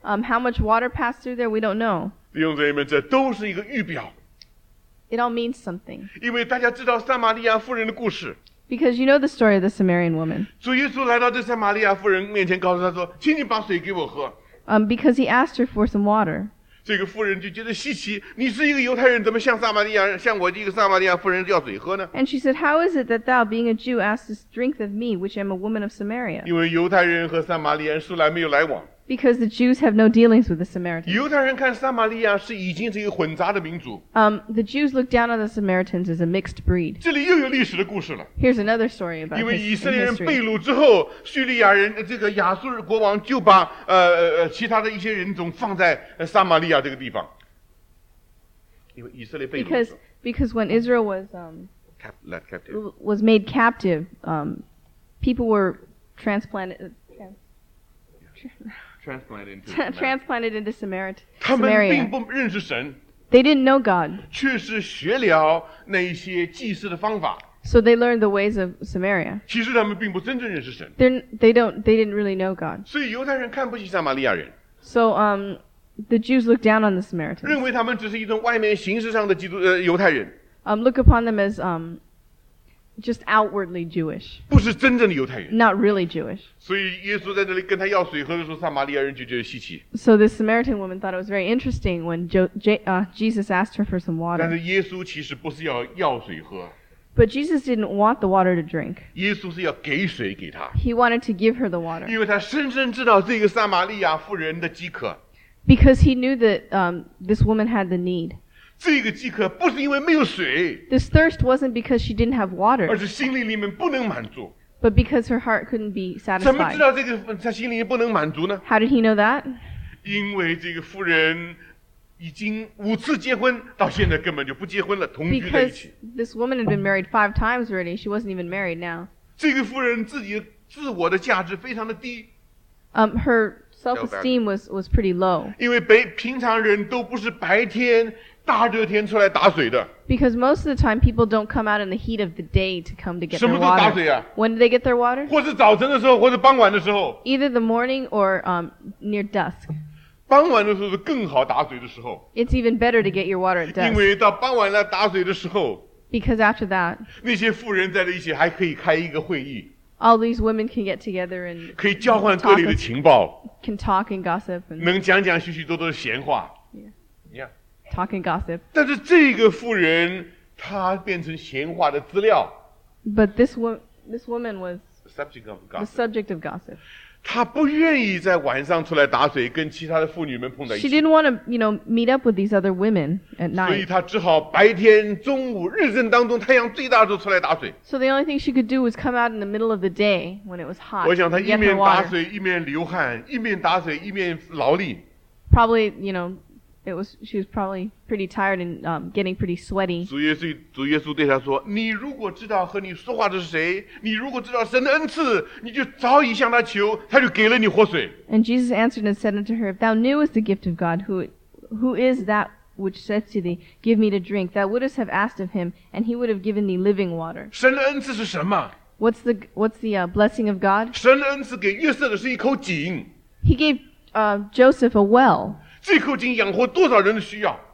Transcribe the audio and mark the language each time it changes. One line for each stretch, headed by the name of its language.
English: How much water passed through there, we don't know.
Chinese: 弟兄姊妹们，这都是一个预表。
English: It all means something.
Chinese: 因为大家知道撒玛利亚妇人的故事。
English: Because you know the story of the Samaritan woman.
Chinese: 主耶稣来到这撒玛利亚妇人面前，告诉她说：“请你把水给我喝。”
English: Because he asked her for some water.
Chinese: 这个妇人就觉得稀奇，你是一个犹太人，怎么像撒玛利亚，像我一个撒玛利亚妇人要水喝呢？
English: And she said, "How is it that thou, being a Jew, ask this drink of me, which am a woman of Samaria?"
Chinese: 因为犹太人和撒玛利亚人素来没有来往。
English: Because the Jews have no dealings with the Samaritans.
Chinese: 犹太人看撒玛利亚是已经是一个混杂的民族。
English: The Jews look down on the Samaritans as a mixed breed.
Chinese: 这里又有历史的故事了。
English: Here's another story about history.
Chinese: 因为以色列人被掳之后，叙利亚人这个亚述国王就把其他的一些人种放在撒玛利亚这个地方。因为以色列被掳。
English: Because when Israel was made captive, people were transplanted into Samaria.
Chinese: 他们并不认识神。
English: They didn't know God.
Chinese: 却是学了那一些祭祀的方法。
English: So they learned the ways of Samaria.
Chinese: 其实他们并不真正认识神。
English: They didn't really know God.
Chinese: 所以犹太人看不起撒玛利亚人。
English: So the Jews looked down on the Samaritans.
Chinese: 认为他们只是一种外面形式上的基督犹太人。
English: Look upon them as just outwardly Jewish.
Chinese: 不是真正的犹太人。
English: Not really Jewish.
Chinese: 所以耶稣在这里跟他要水喝的时候，撒玛利亚人就觉得稀奇。
English: So this Samaritan woman thought it was very interesting when Jesus asked her for some water.
Chinese: 但是耶稣其实不是要水喝。
English: But Jesus didn't want the water to drink.
Chinese: 耶稣是要给水给她。
English: He wanted to give her the water.
Chinese: 因为他深深知道这个撒玛利亚妇人的饥渴。
English: Because he knew that this woman had the need.
Chinese: 这个饥渴不是因为没有水。
English: This thirst wasn't because she didn't have water.
Chinese: 而是心灵里面不能满足。
English: But because her heart couldn't be satisfied.
Chinese: 怎么知道这个她心灵不能满足呢？
English: How did he know that?
Chinese: 因为这个妇人已经五次结婚，到现在根本就不结婚了，同居在一起。
English: Because this woman had been married 5 times already. She wasn't even married now.
Chinese: 这个妇人自我的价值非常的低。
English: Her self-esteem was pretty low.
Chinese: 因为平常人都不是白天大热天出来打水的。
English: Because most of the time people don't come out in the heat of the day to come to get their water.
Chinese: 什么时候打水啊？
English: When do they get their water?
Chinese: 或是早晨的时候，或是傍晚的时候。
English: Either the morning or near dusk.
Chinese: 傍晚的时候是更好打水的时候。
English: It's even better to get your water at dusk.
Chinese: 因为到傍晚来打水的时候。
English: Because after that.
Chinese: 那些妇人在一起还可以开一个会议。
English: All these women can get together and
Chinese: 可以交换各里的情报。
English: Can talk and gossip.
Chinese: 能讲讲许许多多的闲话。
English: Talk and gossip.
Chinese: 但是这个妇人她变成闲话的资料。
English: But this woman was the subject of gossip.
Chinese: 她不愿意在晚上出来打水跟其他的妇女们碰在一起。
English: She didn't want to, meet up with these other women at night.
Chinese: 所以她只好白天中午日正当中太阳最大的时候出来打水。
English: So the only thing she could do was come out in the middle of the day when it was hot.
Chinese: 我想她一面打水一面流汗，一面打水一面劳力。
English: Probably, she was probably pretty tired and getting pretty sweaty.
Chinese: 主耶稣对他说，你如果知道和你说话的是谁，你如果知道神的恩赐，你就早已向他求，他就给了你活水。
English: And Jesus answered and said unto her, If thou knewest the gift of God, who is that which said to thee, Give me to drink, thou wouldest have asked of him, and he would have given thee living water.
Chinese: 神的恩赐是什么？
English: What's the blessing of God?
Chinese: 神的恩赐给约瑟的是一口井。
English: He gave Joseph a well.
Chinese: 这口井养活多少人的需要？